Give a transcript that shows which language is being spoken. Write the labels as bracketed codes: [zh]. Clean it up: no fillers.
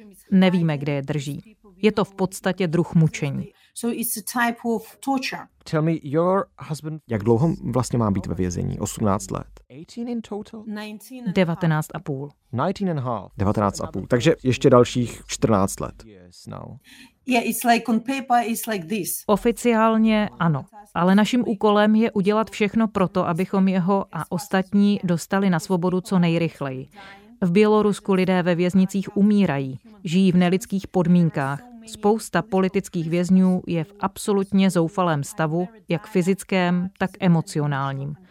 [cs] Nevíme, kde je drží. Je to v podstatě druh mučení. [en] So it's a type of torture. Tell me, your husband... [cs] Jak dlouho vlastně má být ve vězení? 18 let. 19 a půl. 19 a půl. Takže ještě dalších 14 let. [en] Yeah, it's like on paper, it's like this. [cs] Oficiálně ano. Ale naším úkolem je udělat všechno proto, abychom jeho a ostatní dostali na svobodu co nejrychleji. V Bělorusku lidé ve věznicích umírají, žijí v nelidských podmínkách. Spousta politických vězňů je v absolutně zoufalém stavu, jak fyzickém, tak emocionálním.